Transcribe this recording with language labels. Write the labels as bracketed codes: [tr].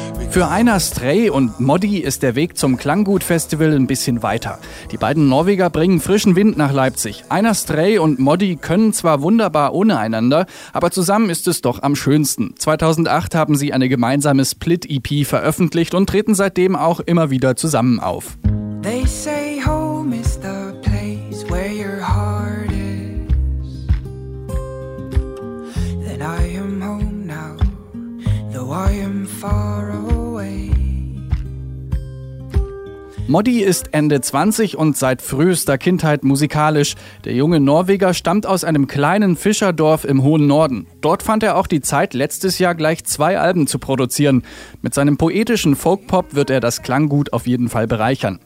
[de] Für Einar Stray und Moddy ist der Weg zum Klanggut-Festival ein bisschen weiter. Die beiden Norweger bringen frischen Wind nach Leipzig. Einar Stray und Moddy können zwar wunderbar ohne einander, aber zusammen ist es doch am schönsten. 2008 haben sie eine gemeinsame Split-EP veröffentlicht und treten seitdem auch immer wieder zusammen auf. [en] They say home is the place where your heart is. Then I am home now, though I am far away. [de] Moddy ist Ende 20 und seit frühester Kindheit musikalisch. Der junge Norweger stammt aus einem kleinen Fischerdorf im hohen Norden. Dort fand er auch die Zeit, letztes Jahr gleich 2 Alben zu produzieren. Mit seinem poetischen Folkpop wird er das Klanggut auf jeden Fall bereichern.